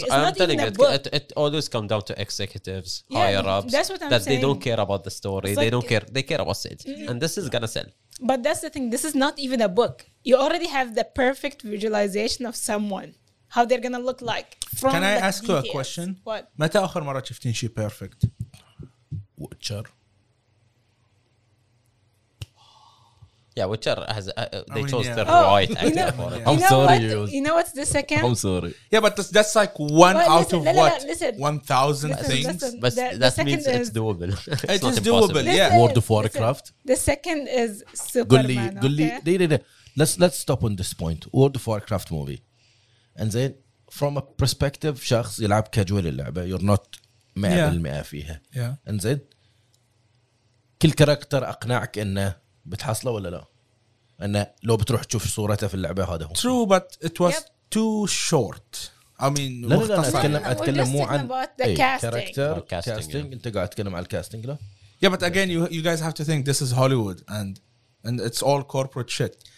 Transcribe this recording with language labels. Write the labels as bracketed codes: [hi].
[en] It always comes down to executives, higher-ups. That's what I'm saying. That they don't care about the story. Like, they don't care. They care about sales. Mm-hmm. And this is going to sell. But that's the thing. This is not even a book. You already have the perfect visualization of someone, how they're going to look like. Can I ask you a question? What? [ar] متى آخر مرة شفتين شيء perfect? [en] Witcher. Yeah, Witcher has they chose the right actor for it. I'm sorry. You know what's the second? I'm sorry. Yeah, but that's like one out of what? 1,000 things? But that means it's doable. It is doable, yeah. World of Warcraft. The second is Superman. Let's stop on this point. World of Warcraft movie. And then from a perspective, [ar] شخص يلعب كاجوال اللعبة, [en] you're not 100% فيها. Yeah. [ar] And then كل كاركتر أقنعك إنه بتحصله ولا لا؟ أنه لو بتروح تشوف صورته في اللعبة هذا هو. [en] True, but it was too short. I mean, [ar] أتكلم مو عن كاركتر. [en] Casting. [ar] أنت قاعد تتكلم على الكاستنج لا؟ [en] Yeah, but again, you guys have to think this is Hollywood and it's all corporate shit.